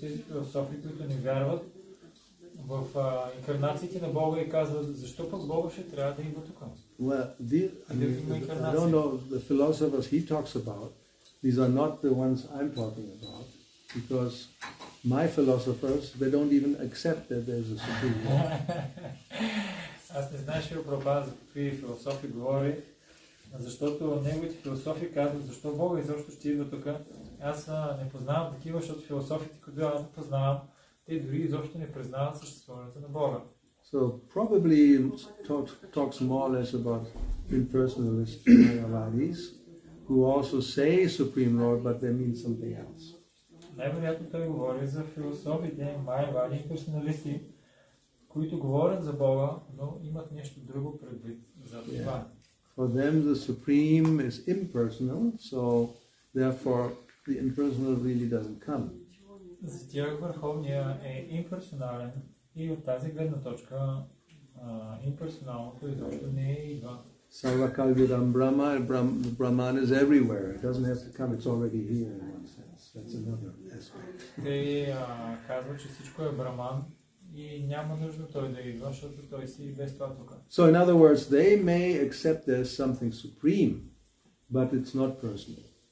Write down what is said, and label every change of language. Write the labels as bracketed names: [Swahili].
[Bulgarian] В инкарнациите на Бога и казва, защо пък Бога ще трябва да идва тук? [English] Well, I don't know the philosophers he talks about. These are not the ones I'm talking about, because my philosophers, they don't even accept that there's a Supreme Lord. [Bulgarian] Аз не знаеш ли Прабхупада за какви философи говори, защото неговите философи казват, защо Бога изобщо ще идва тук? Аз не познавам такива, защото философите, които аз познавам, те дори изобщо не признават съществуването на Бога. [English] So probably talks more or less about impersonalist Mayavadis, who also say Supreme Lord, but they mean something else. [Bulgarian] Най-вероятно той говори за философите Майявади, персоналисти, които говорят за Бога, но имат нещо друго предвид за това. [English] Yeah. For them the Supreme is impersonal, so therefore the impersonal really doesn't come. [Bulgarian] За тях Върховния е имперсонален и от тази гледна точка имперсоналното изобщо не е идва. [Sanskrit] Sarva kalyudam brahma, [English] brahman is everywhere. It doesn't have to come, it's already here in one sense. That's another aspect. [Bulgarian] Те казват, че всичко е брахман и няма нужда той да идва, защото той си без това тук. [English] So in other words, they may accept there's something supreme, but it's not personal.